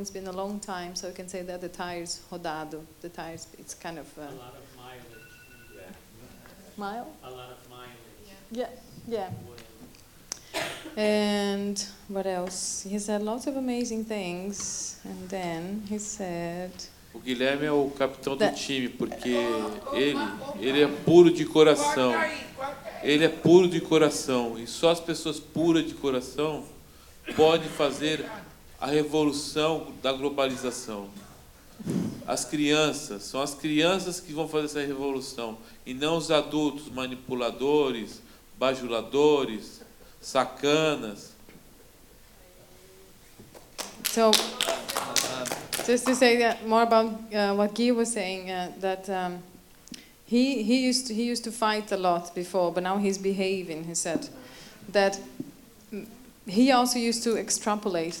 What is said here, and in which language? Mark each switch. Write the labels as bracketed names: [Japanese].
[English] It's been a long time, so you can say that the tire's rodado. The tire's, it's kind of... A lot of mileage. Mile? A lot of mileage. Yeah. And what else? He said lots of amazing things, and then he said. [Portuguese] O Guilherme é o capitão do time porque ele é puro de coração. Ele é puro de coração e só as pessoas puras de coração podem fazer a revolução da globalização. As crianças são as crianças que vão fazer essa revolução e não os adultos manipuladores, bajuladores. Sacanas. [English] So, just to say that more about what Guy was saying, that he used to fight a lot before, but now he's behaving. He said that he also used to extrapolate.